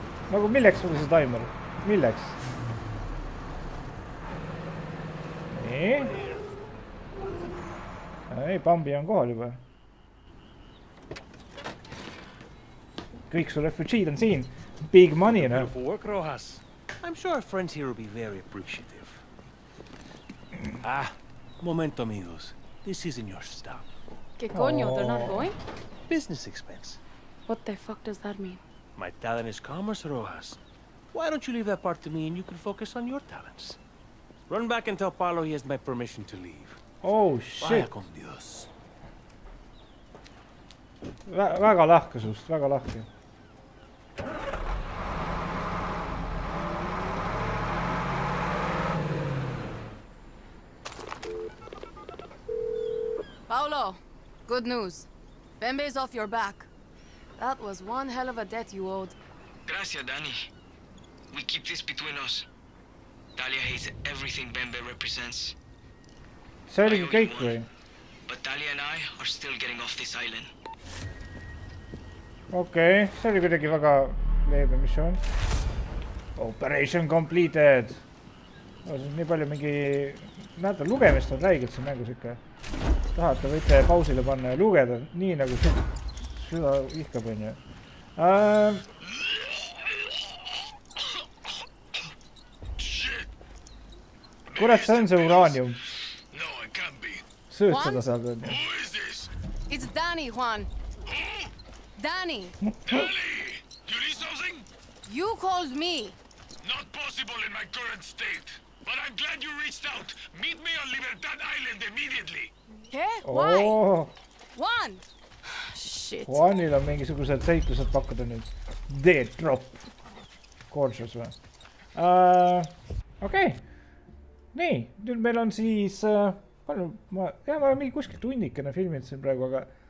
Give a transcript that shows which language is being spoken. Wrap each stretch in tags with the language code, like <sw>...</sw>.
<et>Nagu milleks oli see timer? Milleks? Nii. Ei, Bambi on kohal juba. Kõik su refugeed on siin.</et> <en>Big money, no? Beautiful work, Rojas. I'm sure our friends here will be very appreciative. Ah,</en> <es>momento, amigos.</es> <en>This isn't your stop.</en> <es>Que coño,</es> <en>oh. they're not going? Business expense. What the fuck does that mean? My talent is commerce, Rojas. Why don't you leave that part to me and you can focus on your talents? Run back and tell Paolo he has my permission to leave. Oh, shit.</en> <es>Vaya con Dios.</es> <et>Väga lahke sust, väga lahke.</et> <en>Paolo, good news. Bembe is off your back. That was one hell of a debt you owed. Gracias, Danny. We keep this between us. Talia hates everything Bembe represents.</en> <et>See oli kõik või?</et> <en>But Talia and I are still getting off this island.</en> <et>Okei, okay, see oli kuidagi väga leebe mission.</et> <en>Operation completed!</en> <et>No, see on nii palju mingi... Näete, lugemist on räigelt see mängus ikka. Tahate, võite pausile panna ja lugeda, nii nagu süda ihkab on ju. Kurat, see on see uraanium. Sööd seda saab on ju.</et> <en>It's Danny, Juan. Danny! Danny! You need something? You called me! Not possible in my current state. But I'm glad you reached out. Meet me on Libertad Island immediately. Eh? Why? Oh. Juan! Shit.</en> <et>Juanil on mingisugused seiklused pakkuda nüüd.</et> <en>Dead drop. Gorgeous</en> <et>või?</et> <en>Okei. Okay.</en> <et>Nii, nüüd meil on siis... ma olen mingi kuskil tunnikene filmid siin praegu, aga...</et>